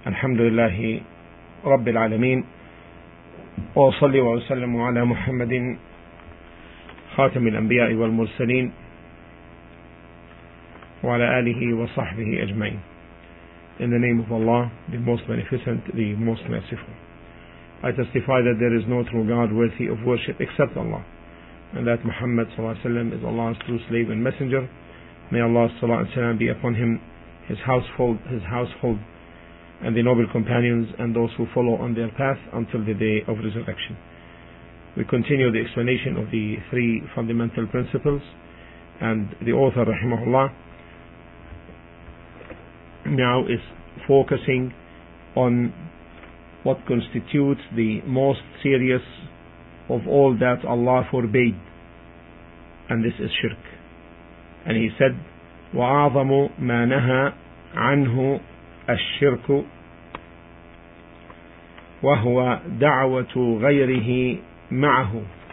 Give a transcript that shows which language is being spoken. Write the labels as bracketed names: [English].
[Arabic] الحمد لله رب العالمين، وأصلي وأسلم على محمد خاتم الأنبياء والمرسلين وعلى آله وصحبه أجمعين. [English] In the name of Allah, the most beneficent, the most merciful. I testify that there is no true God worthy of worship except Allah, and that Muhammad [Arabic] صلى الله عليه وسلم [English] is Allah's true slave and messenger. May Allah [Arabic] صلى الله عليه وسلم [English] be upon him, his household, and the noble companions and those who follow on their path until the day of resurrection. We continue the explanation of the three fundamental principles, and the author rahimahullah now is focusing on what constitutes the most serious of all that Allah forbade, and this is shirk. And he said, [Arabic] وَأَعْظَمُ مَا نَهَى عَنْهُ الشِّرْكُ وَهُوَ دَعْوَةُ غَيْرِهِ مَعَهُ.